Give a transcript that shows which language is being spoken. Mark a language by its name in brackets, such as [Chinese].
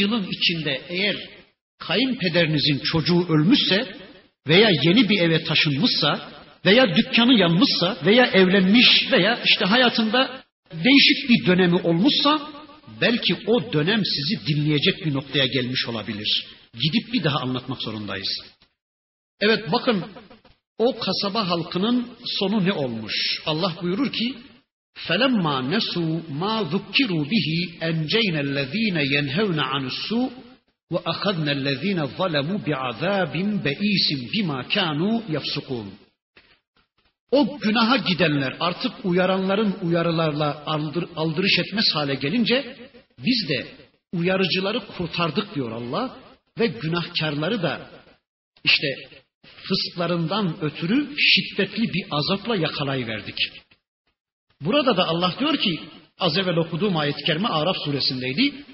[Turkish] yılın içinde eğer kayınpederinizin çocuğu ölmüşse veya yeni bir eve taşınmışsa veya dükkanı yanmışsa veya evlenmiş veya işte hayatında değişik bir dönemi olmuşsa, belki o dönem sizi dinleyecek bir noktaya gelmiş olabilir. Gidip bir daha anlatmak zorundayız. Evet, bakın o kasaba halkının sonu ne olmuş? Allah buyurur ki, [Arabic] فَلَمَّا نَسُوا مَا ذُكِّرُوا بِهِ اَنْجَيْنَ الَّذ۪ينَ يَنْهَوْنَ عَنُ السُّٰءِ وَأَخَذْنَ الَّذ۪ينَ ظَلَمُوا بِعَذَابٍ بَئِيسٍ بِمَا كَانُوا يَفْسُقُونَ [Turkish] O günaha gidenler artık uyaranların uyarılarla aldırış etmez hale gelince, Biz de uyarıcıları kurtardık diyor Allah ve günahkarları da işte fısklarından ötürü şiddetli bir azapla yakalayıverdik. Burada da Allah diyor ki, az evvel okuduğum ayet-i kerime Araf suresindeydi.